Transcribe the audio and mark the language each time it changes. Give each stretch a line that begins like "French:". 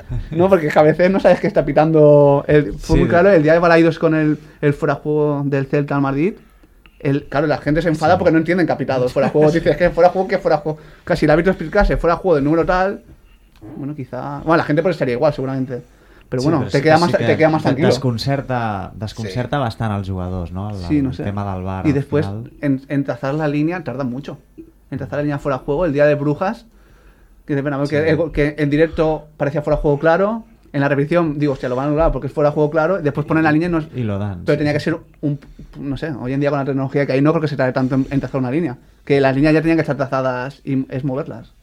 Spanish: No, porque a veces no sabes qué está pitando. El... Fue sí, muy claro, el día de Balaidos con el fuera de juego del Celta al Madrid. Claro, la gente se enfada porque no entienden que ha pitado fuera de juego. Dices que fuera de juego, que fuera de juego. Casi el árbitro explicase fuera de juego del número tal. Bueno, quizá... Bueno, la gente por eso estaría igual, seguramente. Pero bueno, sí, pero te queda más tranquilo.
Catalan: Desconcerta sí. Bastant els jugadors, no? El tema del VAR. I després, en traçar la línia,
Spanish: tarda mucho.
Catalan: En traçar la línia fora
Spanish: de juego, el dia de Brujas, que en directo parecía fuera de juego claro, en la repetición, digo, hostia, lo van a anular porque es fuera de juego claro, y después ponen la línia y lo dan. Pero sí. Tenía que ser un... No sé, hoy en día con la tecnología que hay, no creo que se tarde tanto en
Catalan: traçar una línia.
Spanish: Que las líneas ya tenían que estar trazadas y es moverlas.